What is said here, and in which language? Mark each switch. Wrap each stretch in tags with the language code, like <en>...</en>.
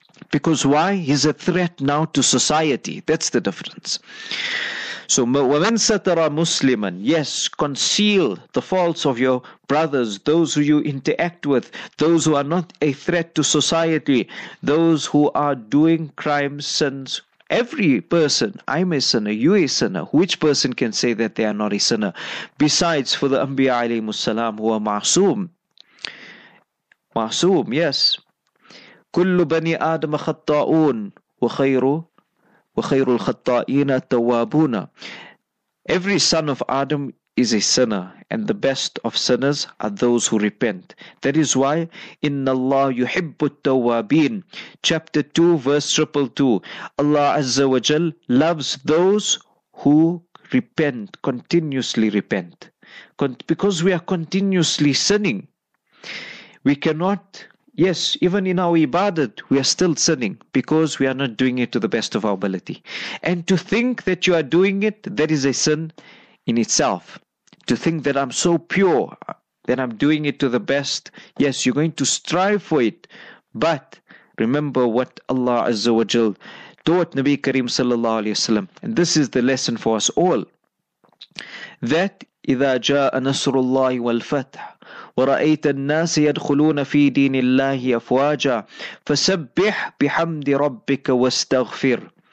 <en>Because why? He's a threat now to society. That's the difference.</en> <ar>So, وَمَنْ سَتَرَى مُسْلِمًا.</ar> <en>Yes, conceal the faults of your brothers, those who you interact with, those who are not a threat to society, those who are doing crimes, sins. Every person, I'm a sinner, you a sinner. Which person can say that they are not a sinner? Besides for the Anbiya alayhimus salam, who are ma'soom.</en> <ar>Ma'soom, yes. كُلُّ بَنِي آدَمَ خَطَّاؤُونَ وَخَيْرُ الْخَطَّائِينَ التَّوَّابُونَ.</ar> <en>Every son of Adam is a sinner, and the best of sinners are those who repent. That is why,</en> <ar>إِنَّ اللَّهُ يُحِبُّ التَّوَّابِينَ.</ar> <en>Chapter 2, verse 22. Allah Azza wa Jal loves those who repent, continuously repent. Because we are continuously sinning. We cannot... Yes, even in our ibadat, we are still sinning because we are not doing it to the best of our ability. And to think that you are doing it, that is a sin in itself. To think that I'm so pure, that I'm doing it to the best. Yes, you're going to strive for it. But remember what Allah Azza wa Jal taught Nabi Kareem Sallallahu Alaihi Wasallam. And this is the lesson for us all.</en> <ar>That إذا جاء نصر الله والفتح ورأيت الناس يدخلون في دين الله أفواجا فسبح بحمد ربك واستغفر.</ar>